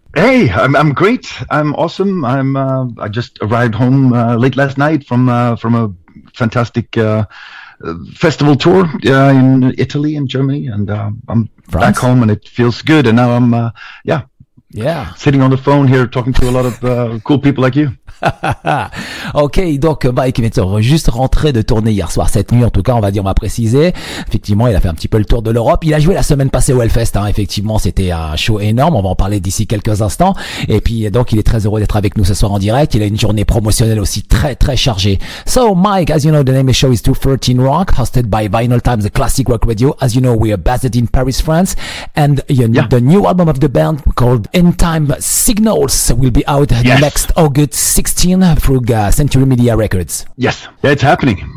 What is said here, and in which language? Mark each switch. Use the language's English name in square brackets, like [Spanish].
[English] Hey, I'm great, I'm awesome, I just arrived home late last night from a fantastic festival tour in Italy and Germany, and I'm France? Back home and it feels good, and now I'm, Yeah, sitting on the phone here, talking to a lot of cool people like you. [French] Ok, donc Mike est juste rentré de tournée hier soir, cette nuit en tout cas, on va dire, on va préciser. Effectivement, il a fait un petit peu le tour de l'Europe. Il a joué la semaine passée au Hellfest, hein. Effectivement, c'était un show énorme. On va en parler d'ici quelques instants. Et puis, donc, il est très heureux d'être avec nous ce soir en direct. Il a une journée promotionnelle aussi très, très chargée. [English] So, Mike, as you know, the name of the show is 213 Rock, hosted by Vinyl Times, the classic rock radio. As you know, we are based in Paris, France. And the new album of the band called End Time Signals will be out the next August 16 through Century Media Records. Yes, that's happening.